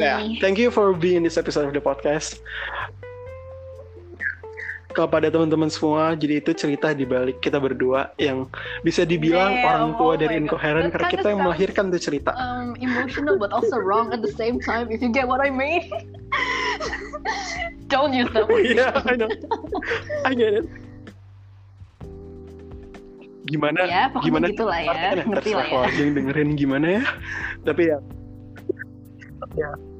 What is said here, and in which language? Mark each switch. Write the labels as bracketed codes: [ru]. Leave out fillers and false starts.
[en] Yeah, thank you for being in this episode of the podcast. [id] Kepada teman-teman semua, jadi itu cerita di balik kita berdua yang bisa dibilang orang tua dari Incoherent, karena kita yang melahirkan tuh cerita. [en] Emotional but also wrong at the same time, if you get what I mean. Don't use that word. Yeah, I know. I get it. [id] Gimana? Ya, pokoknya gimana gitu lah ya. Ngerti lah ya. Yang dengerin gimana ya. Tapi ya. Ya.